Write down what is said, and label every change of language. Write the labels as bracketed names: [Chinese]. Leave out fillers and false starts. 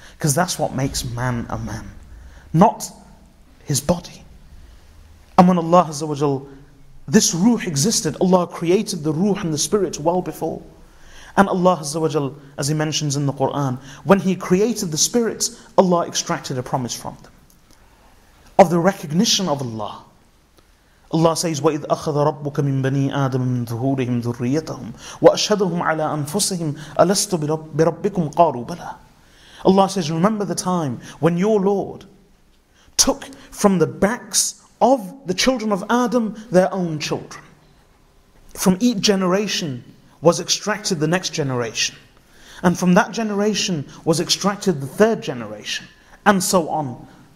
[English] Because that's what makes man a man. Not his body. And when Allah Azza wa Jal, this ruh existed, Allah created the ruh and the spirit well before. And Allah Azza wa Jal, as he mentions in the Qur'an, when he created the spirits, Allah extracted a promise from them. Of the recognition of Allah. Allah says, [Arabic] وَإِذْ أَخَذَ رَبُّكَ مِنْ بَنِي آدَمَ مِنْ ظُهُورِهِمْ ذُرِّيَّتَهُمْ وَأَشْهَدَهُمْ عَلَىٰ أَنفُسِهِمْ أَلَسْتُ بِرَبِّكُمْ قَالُوا بَلَىٰ. [English] Allah says, remember the time when your Lord took from the backs of the children of Adam their own children. From each generation was extracted the next generation. And from that generation was extracted the third generation. And so on.